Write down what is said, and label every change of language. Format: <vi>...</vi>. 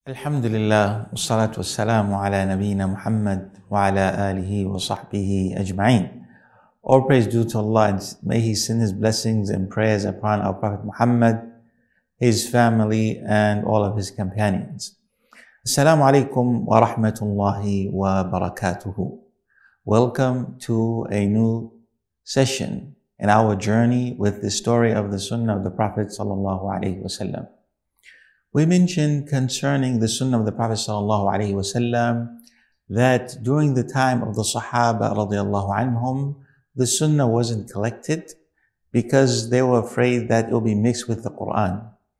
<ar>الحمد لله والصلاة والسلام على نبينا محمد وعلى آله وصحبه أجمعين.</ar> <en>All praise due to Allah and may He send His blessings and prayers upon our Prophet Muhammad, His family and all of His companions.</en> <ar>السلام عليكم ورحمة الله وبركاته.</ar> <en>Welcome to a new session in our journey with the story of the Sunnah of the Prophet</en> <ar>صلى الله عليه وسلم.</ar> <en>We mentioned concerning the Sunnah of the Prophet sallallahu alaihi wasallam that during the time of the Sahaba radiallahu anhum, the Sunnah wasn't collected because they were afraid that it will be mixed with the Quran.</en>